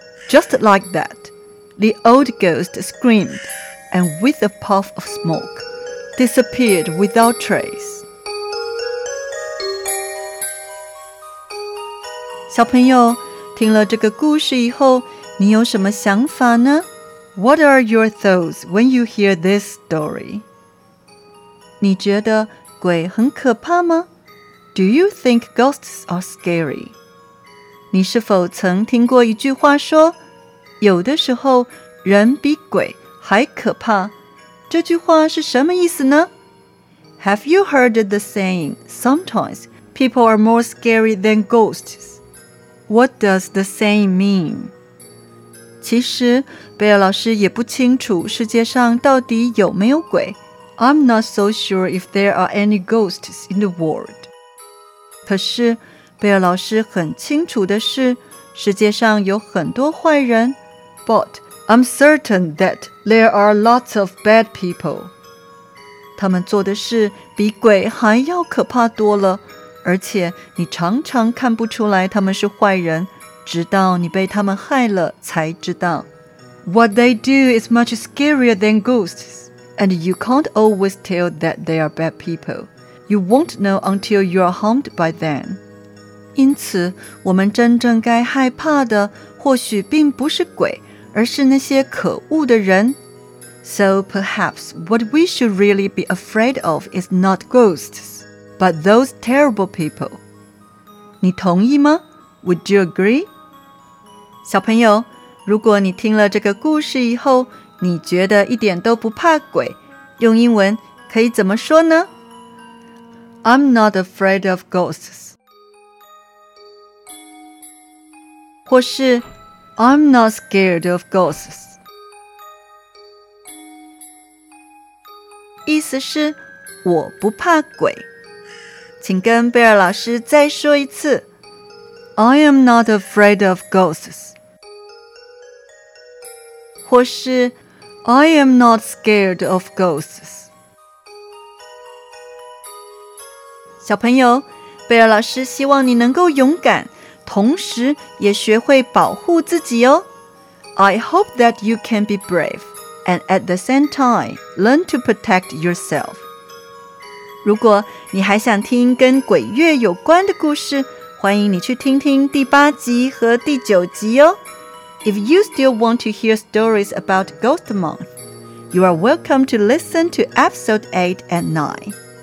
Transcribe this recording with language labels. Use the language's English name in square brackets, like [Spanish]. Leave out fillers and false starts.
[English] Just like that, the old ghost screamed, and with a puff of smoke, disappeared without trace. [Chinese] 小朋友，听了这个故事以后，你有什么想法呢？ [English] What are your thoughts when you hear this story? [Chinese] 你觉得鬼很可怕吗？ [English] Do you think ghosts are scary? [Chinese] 你是否曾听过一句话说，有的时候人比鬼还可怕？这句话是什么意思呢？ [English] Have you heard the saying, sometimes people are more scary than ghosts? What does the saying mean? [Chinese] 其实贝尔老师也不清楚世界上到底有没有鬼。 [English] I'm not so sure if there are any ghosts in the world. [Chinese] 可是贝尔老师很清楚的是，世界上有很多坏人。 [English] But I'm certain that there are lots of bad people. [Chinese] 他们做的事比鬼还要可怕多了，而且你常常看不出来他们是坏人，直到你被他们害了才知道。 [English] What they do is much scarier than ghosts, and you can't always tell that they are bad people. You won't know until you are harmed by them. [Chinese] 因此我们真正该害怕的或许并不是鬼，而是那些可恶的人。 [English] So perhaps what we should really be afraid of is not ghostsBut those terrible people. [Chinese] 你同意吗？ [English] Would you agree? [Chinese] 小朋友，如果你听了这个故事以后，你觉得一点都不怕鬼，用英文可以怎么说呢？ [English] I'm not afraid of ghosts. [Chinese] 或是 [English] I'm not scared of ghosts. [Chinese] 意思是我不怕鬼。请跟贝尔老师再说一次。 [English] I am not afraid of ghosts. [Chinese] 或是 [English] I am not scared of ghosts. [Chinese] 小朋友，贝尔老师希望你能够勇敢，同时也学会保护自己哦。 [English] I hope that you can be brave, and at the same time, learn to protect yourself. [Chinese] 如果你还想听跟鬼月有关的故事，欢迎你去听听第八集和第九集哦。 [English] If you still want to hear stories about Ghost Month, you are welcome to listen to episode 8 and 9.